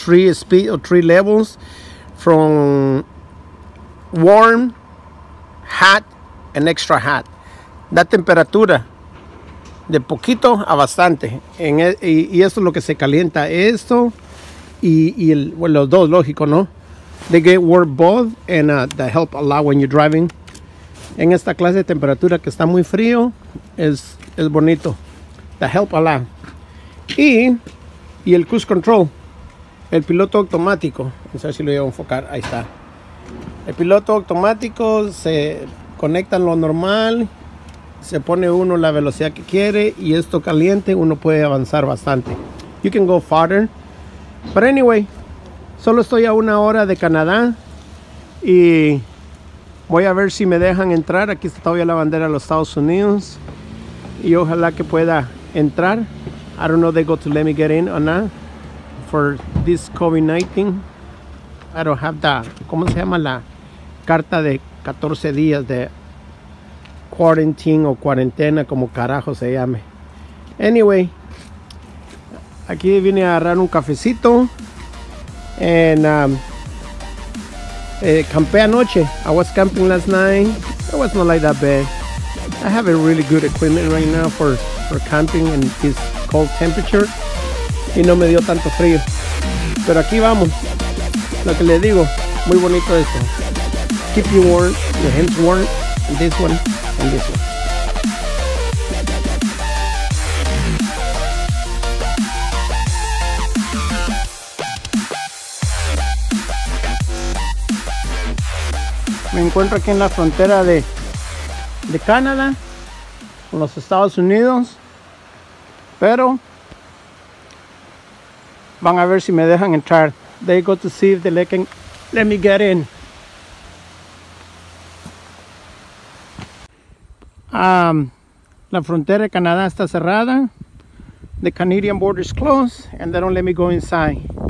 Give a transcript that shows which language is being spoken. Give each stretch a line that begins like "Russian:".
English: 3 speed or 3 levels. From warm, hot, and extra hot.
Spanish: La temperatura. De poquito a bastante. Y esto es lo que se calienta. Esto. Y los dos, lógico, ¿no?
English: They get warm both.
Spanish: And they help a lot when you're driving. En esta clase de temperatura que está muy frío. Es bonito.
English: They help a lot.
Spanish: Y el cruise control. El piloto automático. No sé si lo voy a enfocar. Ahí está. El piloto automático. Se conecta en lo normal. Se pone uno la velocidad que quiere y esto caliente, uno puede avanzar bastante.
English: You can go farther. But anyway,
Spanish: solo estoy a 1 hora de Canadá y voy a ver si me dejan entrar. Aquí está todavía la bandera de los Estados Unidos y ojalá que pueda entrar.
English: I don't know if they got to let me get in or not for this COVID-19. I don't have the,
Spanish: ¿cómo se llama? La carta de 14 días de quarantine o cuarentena, como carajo se llame. Anyway, aquí vine a agarrar un cafecito en campé anoche.
English: I was camping last night. It was not like that bad. I have a really good equipment right now for camping in this cold temperature
Spanish: y no me dio tanto frío, pero aquí vamos. Lo que le digo, muy bonito esto.
English: Keep you warm, your hands warm, and this one. And this one.
Spanish: Me encuentro aquí en la frontera de Canadá con los Estados Unidos, pero van a ver si me dejan entrar.
English: They go to see if they can let me get in.
Spanish: La frontera de Canadá está cerrada.
English: The Canadian border is closed and they don't let me go inside.